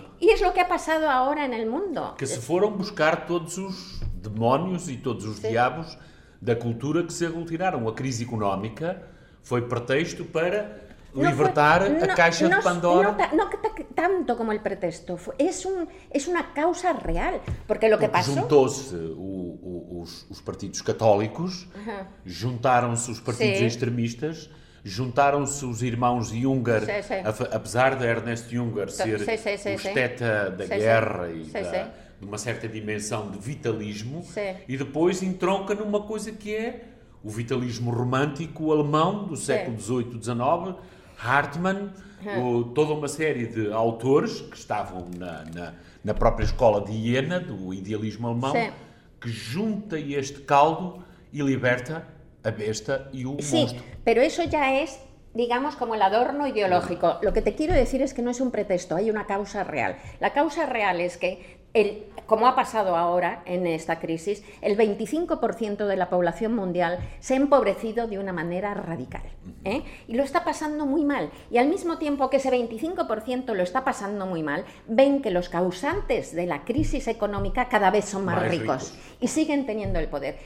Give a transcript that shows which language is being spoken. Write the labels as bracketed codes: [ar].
[es] Y es lo que ha pasado ahora en el mundo. Que se fueron a buscar todos los demonios y todos los diabos de la cultura que se aglutinaron. La crisis económica fue pretexto para... [pt] libertar a caixa de Pandora. [es] No tanto como el pretexto. Es una causa real. Porque lo que pasó... [pt] Juntou-se os partidos católicos, juntaram-se os partidos extremistas, juntaram-se os irmãos Junger, apesar de Ernest Junger ser o esteta da guerra e de uma certa dimensão de vitalismo, e depois entronca numa coisa que é o vitalismo romântico alemão do século XVIII e XIX, Hartmann, toda uma série de autores que estavam na própria escola de Jena, do idealismo alemão, que junta este caldo e liberta a besta e o monstro. Sim, pero isso já é, digamos, [es] como el adorno ideológico. Lo que te quiero decir es que no es un pretexto, hay una causa real. La causa real es que, como ha pasado ahora en esta crisis, el 25% de la población mundial se ha empobrecido de una manera radical. Y lo está pasando muy mal. Y al mismo tiempo que ese 25% lo está pasando muy mal, ven que los causantes de la crisis económica cada vez son más ricos y siguen teniendo el poder.